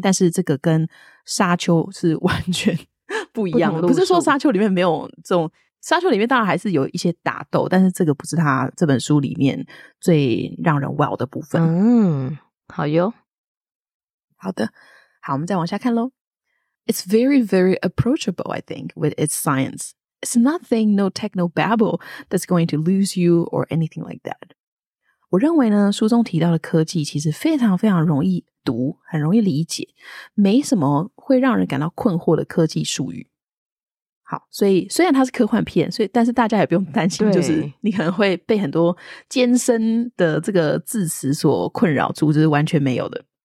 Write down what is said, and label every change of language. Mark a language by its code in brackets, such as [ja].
[zh] 但是这个跟沙丘是完全不一样的。不是说沙丘里面没有这种，沙丘里面当然还是有一些打斗，但是这个不是它这本书里面最让人 wow 的部分。嗯，好哟。好的，好，我们再往下看咯。 [en] It's very very approachable I think with its science. It's nothing, no techno babble that's going to lose you or anything like that. [zh] 我认为呢，书中提到的科技其实非常非常容易读，很容易理解，没什么会让人感到困惑的科技术语。好，所以虽然它是科幻片，所以但是大家也不用担心，就是你可能会被很多艰深的这个字词所困扰住，这是完全没有的。